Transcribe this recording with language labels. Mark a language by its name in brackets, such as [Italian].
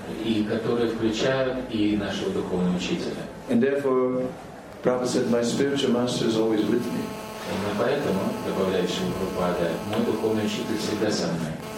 [Russian] И которые включают и нашего духовного учителя. [English] And therefore, Prabhupada said, my spiritual master is always with me. [Russian] Именно поэтому, добавляет Шрила Прабхупада, мой духовный учитель всегда со мной.